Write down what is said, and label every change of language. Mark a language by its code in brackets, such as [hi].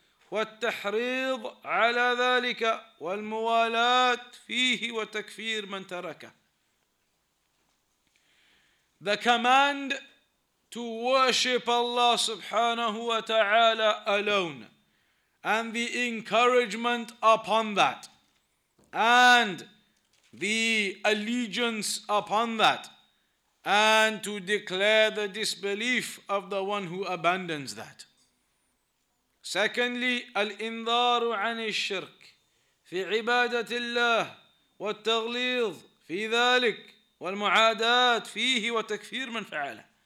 [ar] والتحريض على ذلك والموالاة فيه وتكفير من تركه. [en] The command to worship Allah subhanahu wa ta'ala alone, and the encouragement upon that, and the allegiance upon that, and to declare the disbelief of the one who abandons that. Secondly, [ar] الإنذار عن الشرك في عبادة الله والتغليظ في ذلك والمعاداة فيه وتكفير من فعله.